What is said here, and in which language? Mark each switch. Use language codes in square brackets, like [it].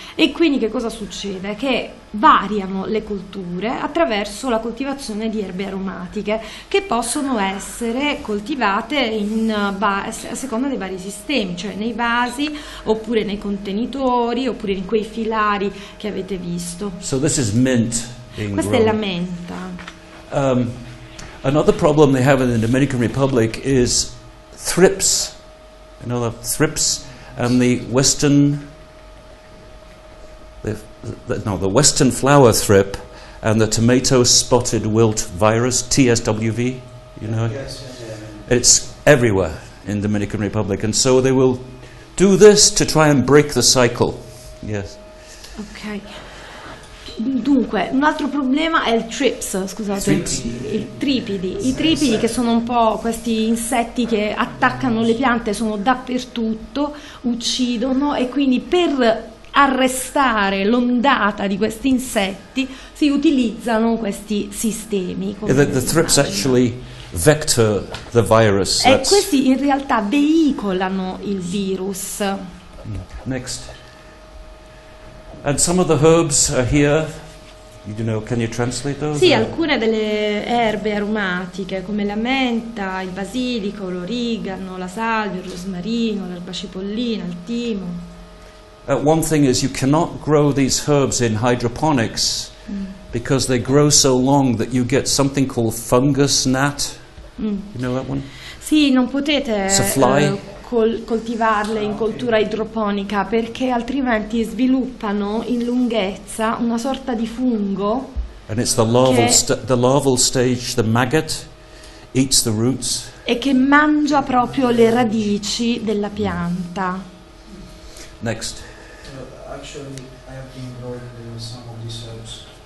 [it] E quindi che cosa succede? Che variano le colture attraverso la coltivazione di erbe aromatiche che possono essere coltivate in a seconda dei vari sistemi, cioè nei vasi oppure nei contenitori oppure in quei filari che avete visto. [en] So this is mint. [it] Questa è la menta. [en] Another problem they have in the Dominican Republic is thrips. You know, the thrips and the western flower thrip and the tomato spotted wilt virus, TSWV, you know? Yes. It's everywhere in the Dominican Republic. And so they will do this to try and break the cycle. Yes. Okay. [it] Dunque, un altro problema è il trips, scusate, i tripidi che sono un po' questi insetti che attaccano le piante, sono dappertutto, uccidono e quindi per arrestare l'ondata di questi insetti si utilizzano questi sistemi. [en] The trips actually vector the virus. [it] E questi in realtà veicolano il virus. [en] Next. And some of the herbs are here. You don't know, can you translate those? [it] Sì, alcune delle erbe aromatiche come la menta, il basilico, l'origano, la salvia, il rosmarino, l'erba cipollina, il timo. [en] One thing is you cannot grow these herbs in hydroponics because they grow so long that you get something called fungus gnat. You know that one? [it] Sì, non potete coltivarle in coltura idroponica perché altrimenti sviluppano in lunghezza una sorta di fungo. [en] And it's the larval the larval stage, the maggot eats the roots. [it] E che mangia proprio le radici della pianta. [en] Next. Actually, I have been growing some of these herbs.